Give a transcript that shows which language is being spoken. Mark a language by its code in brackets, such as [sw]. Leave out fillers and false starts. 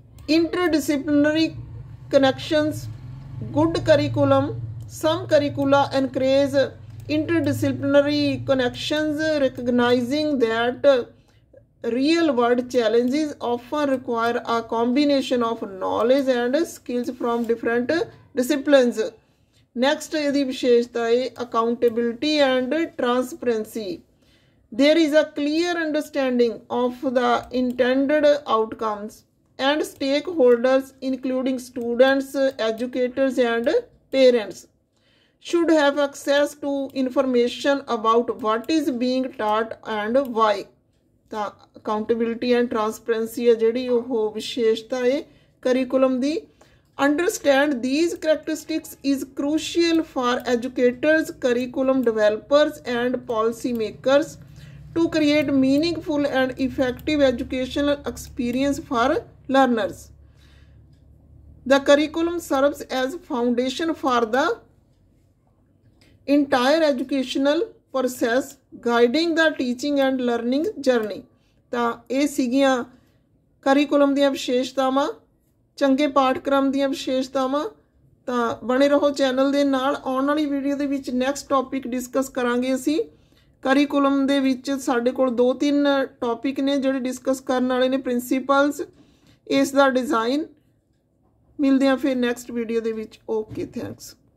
[en] Interdisciplinary connections, good curriculum, some curricula encourage interdisciplinary connections, recognising that real world challenges often require a combination of knowledge and skills from different disciplines. [pa] Next ਇਹਦੀ ਵਿਸ਼ੇਸ਼ਤਾ ਹੈ [en] Accountability and transparency. There is a clear understanding of the intended outcomes and stakeholders including students, educators and parents should have access to information about what is being taught and why. The accountability and transparency [pa] hai jehdi oh visheshta hai curriculum di. [en] Understand these characteristics is crucial for educators, curriculum developers and policy makers to create meaningful and effective educational experience for learners. The curriculum serves as foundation for the entire educational process guiding the teaching and learning journey. [pa] ਤਾਂ ਇਹ ਸੀਗੀਆਂ curriculum ਦੀਆਂ ਵਿਸ਼ੇਸ਼ਤਾਵਾਂ, ਚੰਗੇ ਪਾਠਕ੍ਰਮ ਦੀਆਂ ਵਿਸ਼ੇਸ਼ਤਾਵਾਂ। ਤਾਂ ਬਣੇ ਰਹੋ ਚੈਨਲ ਦੇ ਨਾਲ, ਆਉਣ ਵਾਲੀ ਵੀਡੀਓ ਦੇ ਵਿੱਚ ਨੈਕਸਟ ਟੌਪਿਕ ਡਿਸਕਸ ਕਰਾਂਗੇ ਅਸੀਂ। ਕਰੀਕੁਲਮ ਦੇ ਵਿੱਚ ਸਾਡੇ ਕੋਲ 2-3 ਟੌਪਿਕ ਨੇ ਜਿਹੜੇ ਡਿਸਕਸ ਕਰਨ ਵਾਲੇ ਨੇ, ਪ੍ਰਿੰਸੀਪਲਸ, ਇਸ ਦਾ ਡਿਜ਼ਾਈਨ। ਮਿਲਦੇ ਹਾਂ ਫਿਰ ਨੈਕਸਟ ਵੀਡੀਓ ਦੇ ਵਿੱਚ। [en] Okay, thanks.